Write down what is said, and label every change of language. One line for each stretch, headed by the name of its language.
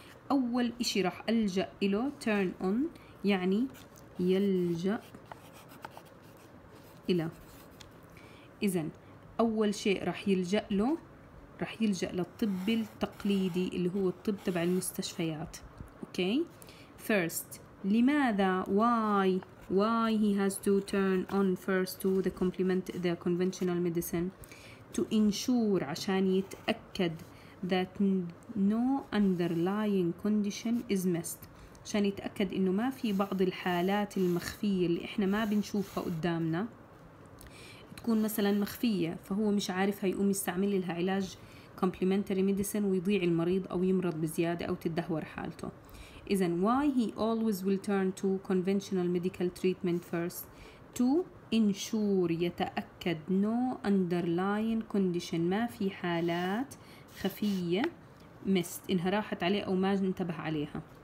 Arabic: أول إشي رح ألجأ إله,
English: turn on,
Arabic: يعني يلجأ إله. إذن أول شيء رح يلجأ له, رح يلجأ للطب التقليدي اللي هو الطب تبع المستشفيات. أوكي؟
English: First,
Arabic: لماذا؟
English: Why? Why he has to turn on first to the complement, the conventional medicine? To ensure,
Arabic: عشان يتأكد
English: that no underlying condition is missed.
Arabic: عشان يتأكد إنه ما في بعض الحالات المخفية اللي إحنا ما بنشوفها قدامنا تكون مثلا مخفية, فهو مش عارف هيقوم يستعمل لها علاج complementary medicine ويضيع المريض أو يمرض بزيادة أو تدهور حالته.
English: إذن why he always will turn to conventional medical treatment first, to ensure, يتأكد, no underlying condition,
Arabic: ما في حالات خفية
English: missed,
Arabic: إنها راحت عليه أو ما انتبه عليها.